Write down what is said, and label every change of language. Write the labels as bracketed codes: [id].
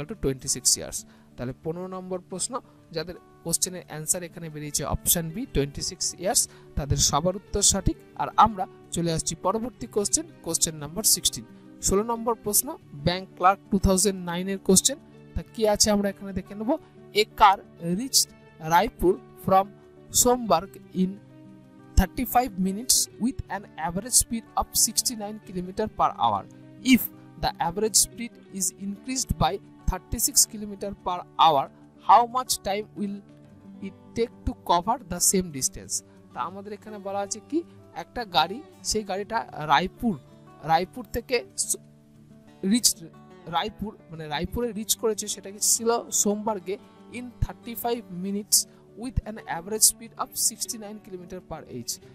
[bn] 26 years তাহলে 15 নম্বর প্রশ্ন যাদের কোশ্চেনের অ্যান্সার এখানে বেরিয়েছে অপশন বি 26 ইয়ার্স তাদের সবার উত্তর সঠিক আর আমরা চলে আসছি পরবর্তী কোশ্চেন কোশ্চেন নাম্বার 16 16 নম্বর প্রশ্ন ব্যাংক ক্লার্ক 2009 কোশ্চেন তা কি আছে আমরা এখানে দেখে নেব [en] A car reach Raipur from Somberg in 35 minutes with an average speed of 69 kilometer per hour if the average speed is increased by 36 km per hour, how much time will it take to cover the same distance? [bn] তো আমাদের এখানে বলা আছে কি একটা গাড়ি সেই গাড়িটা রায়পুর থেকে রিচ রায়পুর মানে রায়পুরে রিচ করেছে সেটা কি ছিল সোমবারকে [en] in 35 minutes with an average speed of 69 kilometer per H